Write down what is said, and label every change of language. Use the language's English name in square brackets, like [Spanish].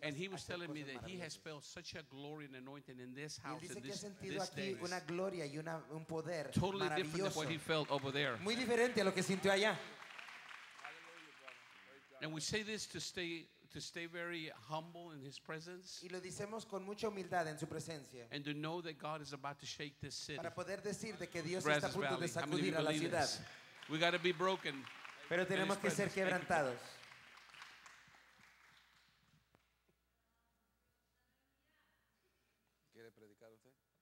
[English] and he was telling me that he has felt such a glory and anointing in this house [Spanish] y dice [English] in this [Spanish] que ha this aquí una gloria y un poder [English] totally different than what he felt over there. [Spanish] Muy diferente a lo que sintió allá. [English] And we say this to stay very humble in his presence. [Spanish] Y lo decimos con mucha humildad en su presencia. [English] And to know that God is about to shake this city. [Spanish] Para poder decir de que Dios está a punto de sacudir a la ciudad. [English] We got to be broken. [Spanish] Pero tenemos que ser quebrantados. ¿Quiere predicar usted?